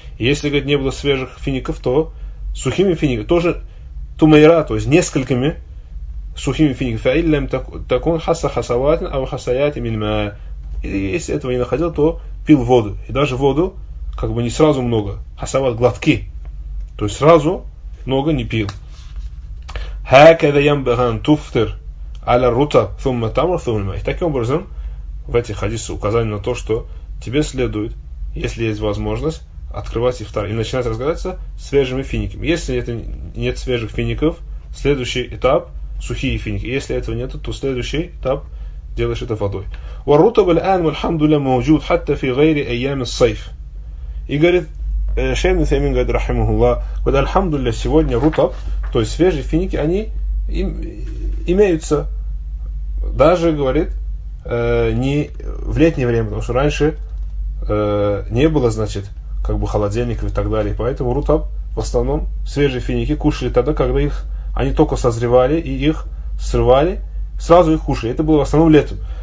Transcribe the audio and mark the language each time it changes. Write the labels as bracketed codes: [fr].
[ru] И если, говорит, не было свежих фиников, то сухими финиками, тоже тумайра, то есть несколькими сухими финиками. [ar] Фаиллям такун хаса хасаватин, ау хасаяти минма. [ru] И если этого не находил, то пил воду. И даже воду, как бы не сразу много, хасават глотки. То есть сразу много не пил. [ar] هكذا ينبغي أن تفطر على الرطب ثم التمر ثم الماء. [ru] Таким образом, в этих хадисах указание на то, что тебе следует, если есть возможность, открывать ифтар и начинать разговариваться свежими финиками. Если это нет свежих фиников, следующий этап сухие финики. Если этого нет, то следующий этап делаешь это водой. [ar] والرطب الآن والحمد لله موجود حتى في غير أيام الصيف. [ru] И говорит Шейх Усеймин говорит, рахимахуллах, вот альхамдулля, сегодня рутаб, то есть свежие финики, они имеются, даже, говорит, не в летнее время, потому что раньше не было, значит, как бы холодильников и так далее, поэтому рутаб, в основном, свежие финики кушали тогда, когда их, они только созревали и их срывали, сразу их кушали, это было в основном летом.